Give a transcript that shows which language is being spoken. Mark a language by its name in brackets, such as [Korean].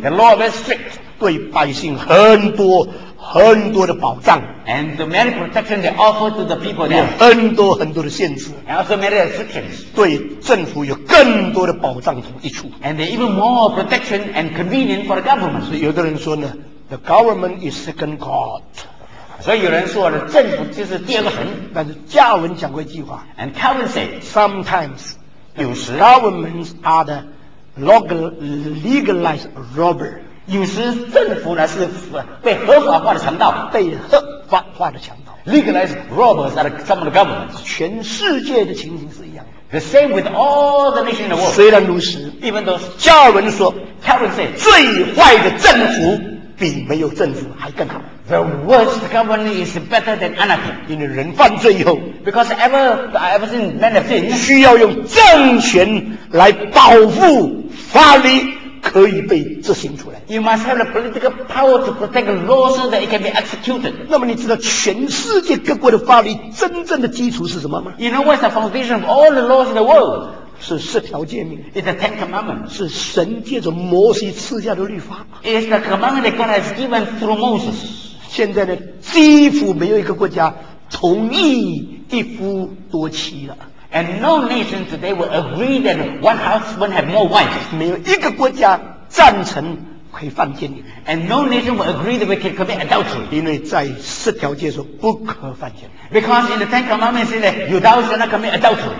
[English] The law is very strict. [Chinese] 对百姓很多很多的保障。 [English] And the many protections they offer to the people there. [Chinese] 有很多很多的限制。 [English] And also many restrictions. [Chinese] 对政府有更多的保障和益处。 [English] And they even more protection and convenience for the government. [Chinese] 所以有的人说呢， [English] the government is second God. [Chinese] 所以有人说了，政府就是第二个神。但是加尔文讲过一句话。 [English] And Calvin said, sometimes, [Chinese] 有时 [English] governments are the legalized robber. [Chinese] 有时政府呢是被合法化的强盗，被合法化的强盗。 [English] Legalized robbers are some of the governments. [Chinese] 全世界的情形是一样的。 [English] The same with all the nations in the world. [Chinese] 虽然如此 [English] ，even though [Chinese] 加尔文说 [English] ，Calvin said [Chinese] 最坏的政府比没有政府还更好。 [English] The worst government is better than anarchy. [Chinese] 因为人犯罪以后 [English] ，because ever since men have sinned, [Chinese] 需要用政权来保护法律。可以被执行出来。 [English] You must have the political power to protect the law so that it can be executed. [Chinese] 那么你知道全世界各国的法律真正的基础是什么吗 [English] ？You know what's the foundation of all the laws in the world? [Chinese] 是十条诫命。 [English] It's the Ten Commandments. [Chinese] 是神借着摩西赐下的律法。 [English] It's the commandment that God has given through Moses. [Chinese] 现在呢，几乎没有一个国家同意一夫多妻了。 [English] And no nation today will agree that one husband has more wives. [Chinese] 没有一个国家赞成可以犯奸淫。 [English] And no nation will agree that we can commit adultery. [Chinese] 因为在十条诫说不可犯奸。 [English] Because in the Ten Commandments say that you thou shalt not commit adultery.